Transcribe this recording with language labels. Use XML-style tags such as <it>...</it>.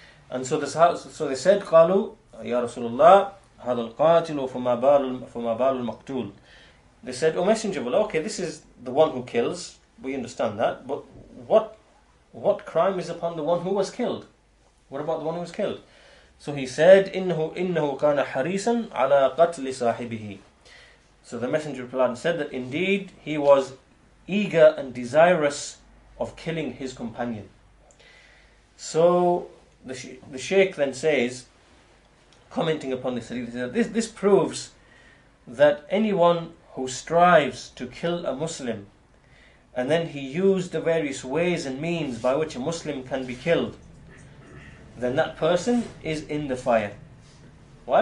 <en>And so they said,</en> <ar>قَالُوا Ya Rasulullah, هَذَا الْقَاتِلُ فَمَا بَالُ الْمَقْتُولُ.</ar> <en>They said, O Messenger of Allah, okay, this is the one who kills, we understand that, but what crime is upon the one who was killed? What about the one who was killed? So he said,</en> <ar>إِنَّهُ كَانَ حَرِيسًا عَلَىٰ قَتْلِ صَاحِبِهِ.</ar> <en>So the Messenger replied and said that indeed he was eager and desirous of killing his companion. So the Shaykh then says, commenting upon this hadith, this proves that anyone who strives to kill a Muslim and then he used the various ways and means by which a Muslim can be killed, then that person is in the fire. Why?</en>